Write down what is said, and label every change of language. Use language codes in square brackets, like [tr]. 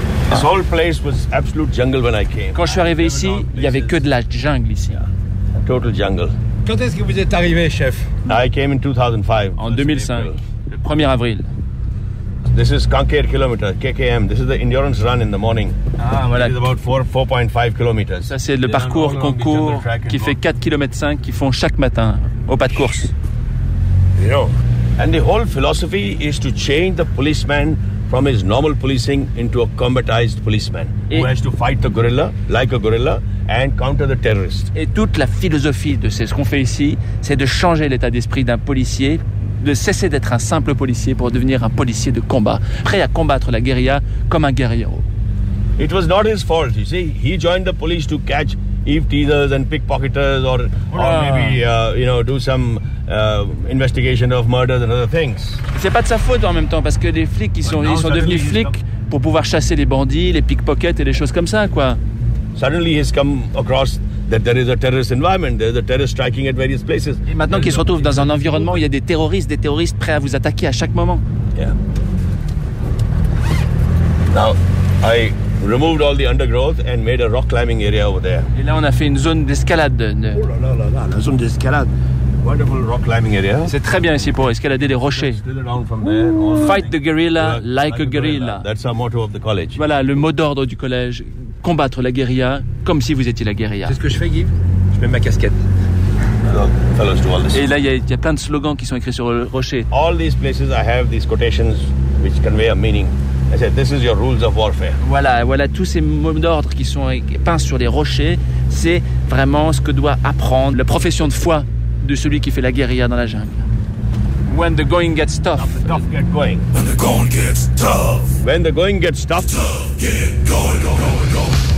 [en] This whole place was absolute jungle when I came. [fr] Quand je suis arrivé ici, il n'y avait que de la jungle ici. [en] Total jungle. [fr] Quand est-ce que vous êtes arrivé, chef? [en] I came in 2005. [fr] En 2005, le 1er avril. [en] This is Kanker Kilometer, KKM. This is the endurance run in the morning. [fr] Ah, voilà. [en] It is about 4.5 kilometers. [fr] Ça, c'est le parcours concours qui fait 4,5 km qu'ils font chaque matin au pas de course. [en] You know, and the whole philosophy is to change the policeman from his normal policing into a combatized policeman who has to fight the gorilla like a gorilla and counter the terrorist. [fr] Et toute la philosophie de ce qu'on fait ici, c'est de changer l'état d'esprit d'un policier, de cesser d'être un simple policier pour devenir un policier de combat, prêt à combattre la guérilla comme un guerrier. [en] It was not his fault, you see. He joined the police to catch eve teasers and pickpocketers or maybe you know, do some investigation of murders and other things. [fr] C'est pas de sa faute en même temps, parce que les flics ils sont devenus flics pour pouvoir chasser les bandits, les pickpockets et les choses comme ça, quoi. [en] Suddenly he's come across that there is a terrorist environment, there is a terrorist striking at various places. [fr] Et maintenant qu'il se retrouve dans un environnement où il y a des terroristes prêts à vous attaquer à chaque moment. [en] Yeah. Now, I removed all the undergrowth and made a rock climbing area over there. [fr] Et là, on a fait une zone d'escalade. La zone d'escalade. [en] Wonderful rock climbing area. [fr] C'est très bien ici pour escalader les rochers. [en] Fight the guerrilla like a gorilla. That's our motto of the college. [fr] Voilà le mot d'ordre du collège. Combattre la guérilla comme si vous étiez la guérilla. C'est ce que je fais, Guy. Je mets ma casquette. Et là, il y a plein de slogans qui sont écrits sur le rocher. [en] All these places, I have these quotations which convey a meaning. I said, this is your rules of warfare. [fr] Voilà tous ces mots d'ordre qui sont peints sur les rochers. C'est vraiment ce que doit apprendre la profession de foi de celui qui fait la guérilla dans la jungle. [en] When the going gets tough. The tough get going. When the going gets tough. When the going gets tough. Tough get going.